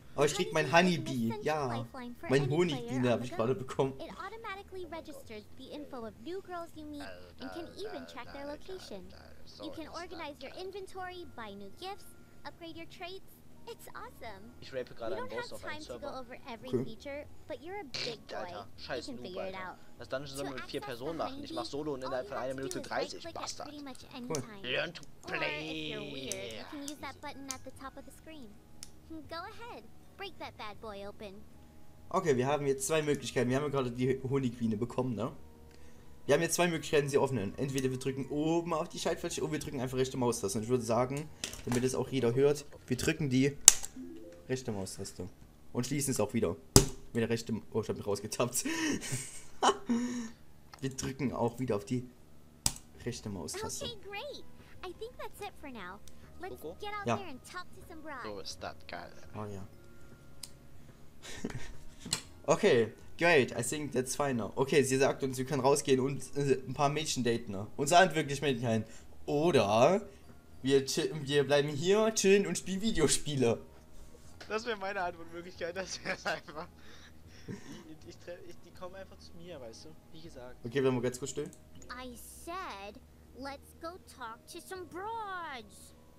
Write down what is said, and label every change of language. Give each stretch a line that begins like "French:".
German: Aber ich krieg mein Honeybee. Ja. Mein Honigbiene habe ich gerade bekommen.
English: It automatically registers the info of new girls you meet and can even track their location. You can organize your inventory, buy new gifts, upgrade your traits. It's awesome.
German: Ich rape gerade einen Boss auf einem Server.
English: To go over every cool. Feature, but you're a big boy.
German: Alter, scheiß Noob, Alter. Das Dungeon soll mit 4 Personen machen. Ich mach Solo und innerhalb von 1 Minute 30, Bastard.
English: Cool. Learn to play. Or, if you're weird, you can use that button at the top of the screen. Go ahead. Break that bad boy open.
German: Okay, wir haben jetzt zwei Möglichkeiten. Wir haben ja gerade die Honigbiene bekommen, ne? Wir haben jetzt zwei Möglichkeiten, sie öffnen. Entweder wir drücken oben auf die Schaltfläche oder wir drücken einfach rechte Maustaste. Und ich würde sagen, damit es auch jeder hört, wir drücken die rechte Maustaste. Und schließen es auch wieder. Mit der rechten. Oh, ich hab mich rausgetappt. Wir drücken auch wieder auf die rechte Maustaste.
English: Okay, great. I think that's it for now. Let's get out there and talk to some bride.
German: So ist das geil. Oh ja. Okay.
English: Great, I think that's fine.
German: Okay, sie sagt uns, wir können rausgehen und ein paar Mädchen daten. Und sagen wirklich Mädchen. Oder wir bleiben hier, chillen und spielen Videospiele. Das wäre meine Antwortmöglichkeit, das wäre einfach. Die kommen einfach zu mir, weißt du? Wie gesagt. Okay, bleiben wir ganz kurz still.
English: I said, let's go talk to some broads.